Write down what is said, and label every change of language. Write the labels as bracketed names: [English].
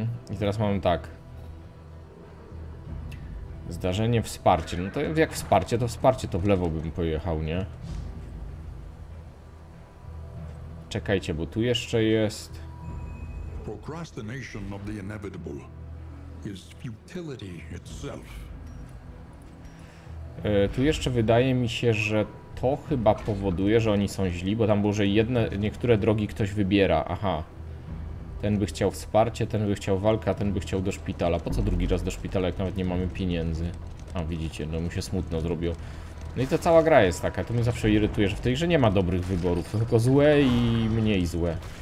[Polish] I teraz mamy tak. Zdarzenie wsparcie. No to jak wsparcie, to wsparcie, to w lewo bym pojechał, nie? Czekajcie, bo tu jeszcze jest... [English] Procrastination of the inevitable is futility itself. [Polish] Tu jeszcze wydaje mi się, że to chyba powoduje, że oni są źli, bo tam było, że jedne, niektóre drogi ktoś wybiera. Aha. Ten by chciał wsparcie, ten by chciał walkę, a ten by chciał do szpitala. Po co drugi raz do szpitala, jak nawet nie mamy pieniędzy? A widzicie, no mu się smutno zrobiło. No i to cała gra jest taka, to mnie zawsze irytuje, że w tej grze nie ma dobrych wyborów, to tylko złe i mniej złe.